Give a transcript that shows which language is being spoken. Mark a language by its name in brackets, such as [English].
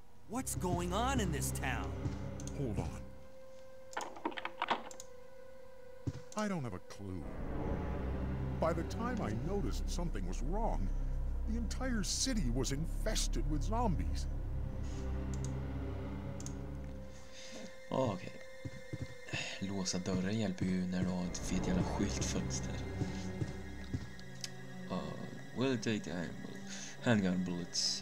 [English] What's going on in this town? Hold on. I don't have a clue. By the time I noticed something was wrong, the entire city was infested with zombies. Oh, okay. [Swedish] Låsa dörrar hjälper ju när du har ett fet jävla skyltfönster. [English] We'll take the handgun bullets.